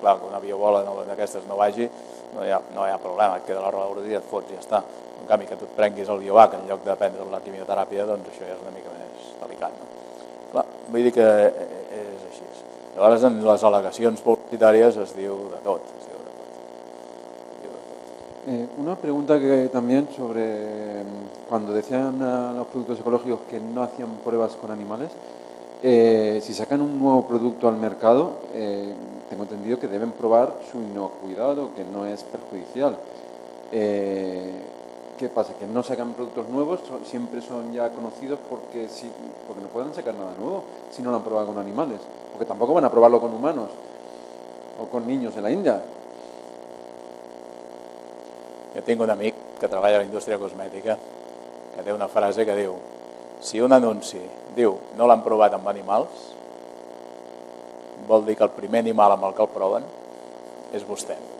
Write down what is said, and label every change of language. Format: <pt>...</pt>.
<ca>Clar, que una biobola d'aquestes no vagi, no hi ha problema, et queda la roda d'ordi i et fots, ja està. En canvi, que tu et prenguis el biobac en lloc de prendre la quimioteràpia, doncs això ja és una mica més delicat, no? Clar, vull dir que és així. Llavors, en les al·legacions publicitàries es diu de tot.</ca> <es>Una pregunta que también sobre cuando decían los productos ecológicos que no hacían pruebas con animales, si sacan un nuevo producto al mercado, tengo entendido que deben probar su inocuidad o que no es perjudicial. ¿Qué pasa? ¿Que no sacan productos nuevos? ¿Siempre son ya conocidos porque, si, porque no pueden sacar nada nuevo si no lo han probado con animales? Porque tampoco van a probarlo con humanos o con niños en la India.</es> <ca>Jo tinc un amic que treballa a la indústria cosmètica que té una frase que diu: si un anunci diu no l'han provat amb animals, vol dir que el primer animal amb el que el proven és vostè.</ca>